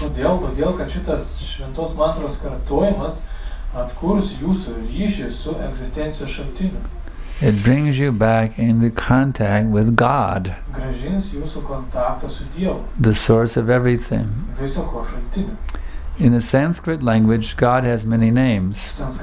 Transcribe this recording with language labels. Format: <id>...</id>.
<lt>Todėl, kad šitas šventos mantros kartojimas atkurs jūsų ryšį su egzistencijos šaltiniu.</lt> <en>It brings you back into contact with God.</en> <lt>Grąžins jūsų kontaktą su Dievu.</lt> <en>The source of everything.</en> <lt>Viso ko šaltiniu.</lt> <en>In the Sanskrit language, God has many names.</en>